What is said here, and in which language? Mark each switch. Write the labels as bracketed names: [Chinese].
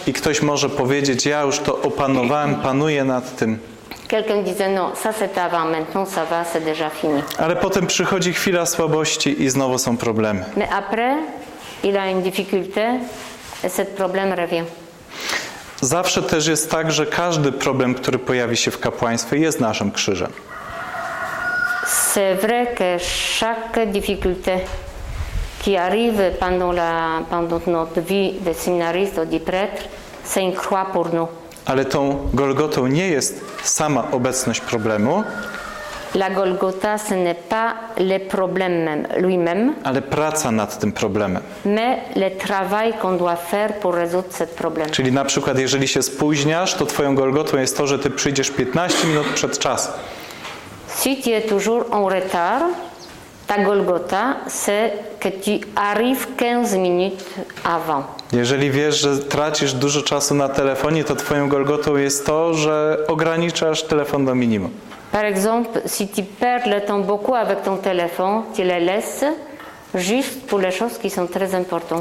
[Polish] I ktoś może powiedzieć: ja już to opanowałem, panuję nad tym. [French] Quelqu'un disait: non, ça c'est avant, maintenant ça va, c'est déjà fini. [Polish] Ale potem przychodzi chwila słabości i znowu są problemy. [French] Mais après, il a une difficulté et ce problème revient. [Polish] Zawsze też jest tak, że każdy problem, który pojawi się w kapłaństwie, jest naszym krzyżem. [French] C'est vrai que chaque difficulté qui arrive pendant notre vie de séminariste, de prêtre, c'est une croix pour nous. [Polish] Ale tą Golgotą nie jest sama obecność problemu. [French] La Golgota, ce n'est pas le problème lui-même. [Polish] Ale praca nad tym problemem. [French] Mais le travail qu'on doit faire pour résoudre ce problème. [Polish] Czyli na przykład, jeżeli się spóźniasz, to twoją Golgotą jest to, że ty przyjdziesz 15 minut przed czasu. [French] Si tu es toujours en retard, ta Golgota, c'est que tu arrives 15 minutes avant. [Polish] Jeżeli wiesz, że tracisz dużo czasu na telefonie, to twoją Golgotą jest to, że ograniczasz telefon do minimum. [French] Par exemple, si tu perds le temps beaucoup avec ton téléphone, tu le laisses juste pour les choses qui sont très importantes.